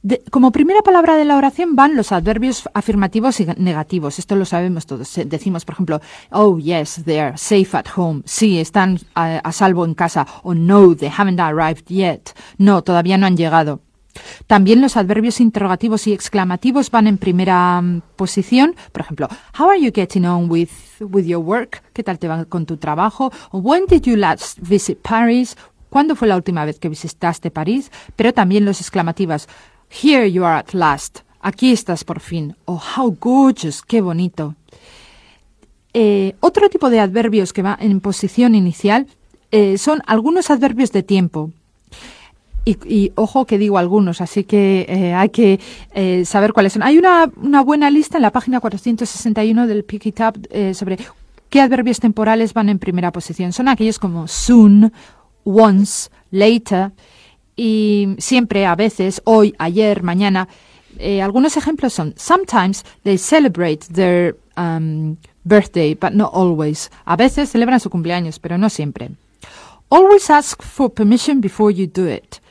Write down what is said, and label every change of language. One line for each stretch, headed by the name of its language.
Spanish: Como primera palabra de la oración van los adverbios afirmativos y negativos. Esto lo sabemos todos. Decimos, por ejemplo,
English: oh, yes, they're safe at home.
Spanish: Sí, están a salvo en casa. O no,
English: they haven't arrived yet.
Spanish: No, todavía no han llegado. También los adverbios interrogativos y exclamativos van en primera posición. Por ejemplo,
English: how are you getting on with your work?
Spanish: ¿Qué tal te va con tu trabajo? O
English: when did you last visit Paris?
Spanish: ¿Cuándo fue la última vez que visitaste París? Pero también los exclamativos.
English: Here you are at last.
Spanish: Aquí estás por fin.
English: Oh, how gorgeous.
Spanish: Qué bonito. Otro tipo de adverbios que va en posición inicial son algunos adverbios de tiempo. Y ojo que digo algunos, así que hay que saber cuáles son. Hay una buena lista en la página 461 del Pick It Up sobre qué adverbios temporales van en primera posición. Son aquellos como soon, once, later. Y siempre, a veces, hoy, ayer, mañana. Algunos ejemplos son,
English: sometimes they celebrate their birthday, but not always.
Spanish: A veces celebran su cumpleaños, pero no siempre.
English: Always ask for permission before you do it.